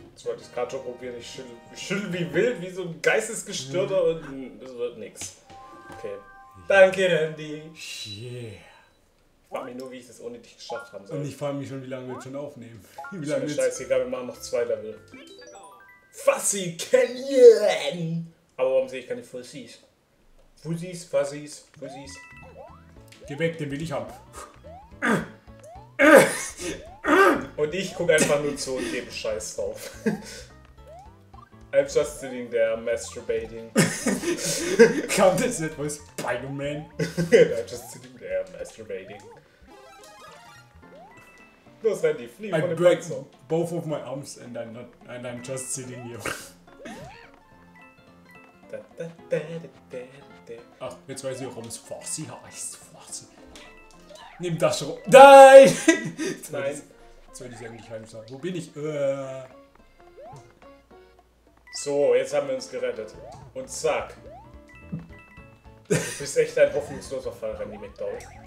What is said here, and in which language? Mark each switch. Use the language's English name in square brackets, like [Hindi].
[German] Jetzt wollte ich es gerade schon probieren. Ich schüttel wie wild, wie so ein Geistesgestörter und das wird nichts. Okay. Danke, Randy. Yeah. Ich frage mich nur, wie ich das ohne dich geschafft haben soll. Und ich frage mich schon, wie lange wir jetzt schon aufnehmen. Wie lange jetzt? Scheißegal, wir machen noch zwei Level. Fuzzy Canyon! Aber warum sehe ich keine Fuzzies? Fuzzies, Fuzzies, Fuzzies. Geh weg, den will ich haben. Und ich gucke einfach nur zu und gebe Scheiß drauf. [English] I'm just sitting there masturbating. [German] Kam das jetzt bei Spider-Man? [English] I'm just sitting there masturbating. [German] Los, Randy, flieh von dem Panzer. [English] Both of my arms and I'm just sitting here. Da, da, da, da, da, da. [German] Ach, jetzt weiß ich auch, warum es Fossi heißt. Fossi. Nimm das schon. Nein! Nein. Jetzt werde ich eigentlich heimsagen. Wo bin ich? So, jetzt haben wir uns gerettet. Und zack. Du bist echt ein hoffnungsloser Fall, Randy McDowell.